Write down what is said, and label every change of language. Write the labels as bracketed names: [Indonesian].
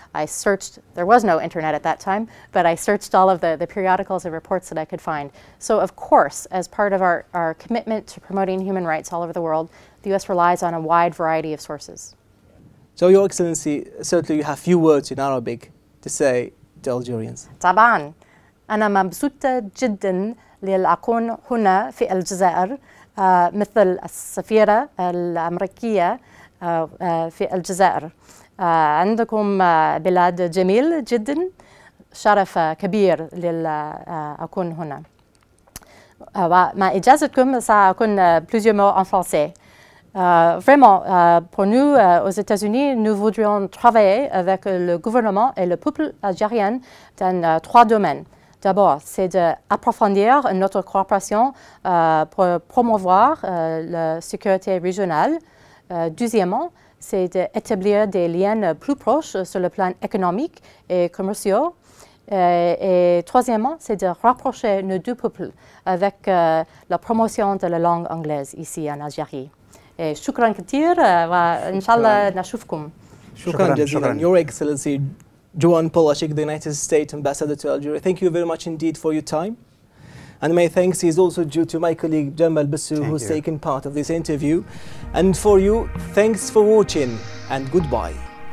[English] I searched, there was no internet at that time, but I searched all of the periodicals and reports that I could find. So of course, as part of our commitment to promoting human rights all over the world, the U.S. relies on a wide variety of sources. So Your Excellency, certainly you have few words in Arabic to say to Algerians. [Arabic] طبعاً أنا مبسوطة جداً للأكون هنا في الجزائر مثل السفيرة الأمريكية في الجزائر. عندكم بلاد جميل جداً. شرف كبير لأكون هنا. مع إجازتكم سأكون [French] plusieurs mots en français. Vraiment, pour nous, aux États-Unis, nous voudrions travailler avec le gouvernement et le peuple algérien dans trois domaines. D'abord, c'est d'approfondir notre coopération pour promouvoir la sécurité régionale. Deuxièmement, c'est d'établir des liens plus proches sur le plan économique et commercial. Et troisièmement, c'est de rapprocher nos deux peuples avec la promotion de la langue anglaise ici en Algérie. [Arabic] شكراً كثير وإن شاء الله نشوفكم. شكراً جزيلاً. [English] Your Excellency Joan Polaschik, the United States Ambassador to Algeria. Thank you very much indeed for your time. And my thanks is also due to my colleague Jamal Bassou, who's taken part of this interview. And for you, thanks for watching and goodbye.